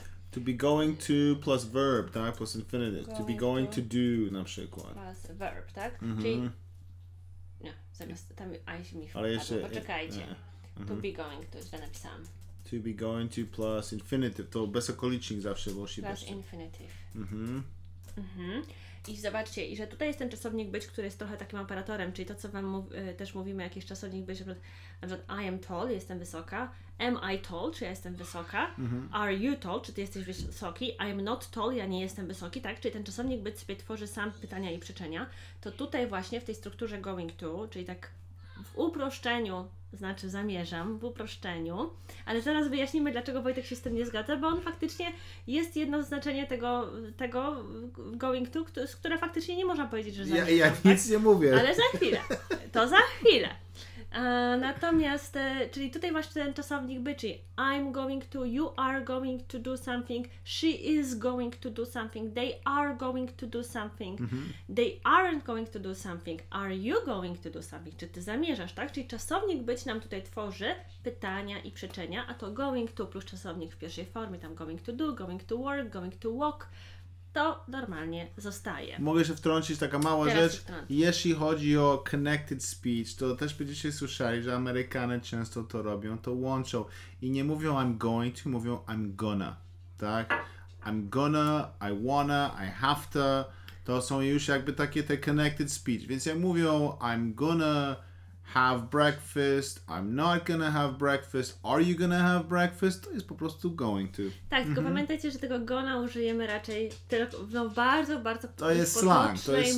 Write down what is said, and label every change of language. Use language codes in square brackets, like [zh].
[en] to be going to plus verb, tak? Plus infinitive. To be going to do, [pl] na przykład. [en] Plus verb, tak? Mm-hmm. [pl] Czyli... Nie, no, zamiast tam aś mi wpadło. Poczekajcie. [en] To be going to, [pl] źle napisałam. [en] To be going to plus infinitive. [pl] To bez okolicznik zawsze było się. [en] Plus infinitive. Mhm. Mhm. [pl] I zobaczcie, i że tutaj jest ten czasownik być, który jest trochę takim operatorem, czyli to, co wam też mówimy, jakiś czasownik być, na przykład [en] I am tall, [pl] jestem wysoka. [en] Am I tall, [pl] czy ja jestem wysoka? Mm-hmm. [en] Are you tall, [pl] czy ty jesteś wysoki? [en] I am not tall, [pl] ja nie jestem wysoki, tak? Czyli ten czasownik być sobie tworzy sam pytania i przyczynia. To tutaj właśnie w tej strukturze going to, czyli tak w uproszczeniu, znaczy zamierzam, w uproszczeniu, ale zaraz wyjaśnimy, dlaczego Wojtek się z tym nie zgadza, bo on faktycznie jest jedno znaczenie tego going to, które faktycznie nie można powiedzieć, że zamierzam. Ja nic nie mówię. Ale za chwilę, to za chwilę. Natomiast, czyli tutaj masz ten czasownik być, czyli [en] I'm going to, you are going to do something, she is going to do something, they are going to do something, they aren't going to do something, are you going to do something, [pl] czy ty zamierzasz, tak? Czyli czasownik być nam tutaj tworzy pytania i przyczynia, a to [en] going to plus czasownik w pierwszej formie, tam going to do, going to work, going to walk, [pl] to normalnie zostaje. Mogę się wtrącić, taka mała teraz rzecz. Jeśli chodzi o connected speech, to też będziecie słyszeli, że Amerykanie często to robią, to łączą. I nie mówią [en] I'm going to, [pl] mówią [en] I'm gonna. [pl] Tak? [en] I'm gonna, I wanna, I have to. [pl] To są już jakby takie te connected speech. Więc jak mówią [en] I'm gonna have breakfast, I'm not gonna have breakfast, are you gonna have breakfast, [pl] to jest po prostu [en] going to. [pl] Tak, tylko pamiętajcie, że tego gonna użyjemy raczej tylko w bardzo, bardzo potocznej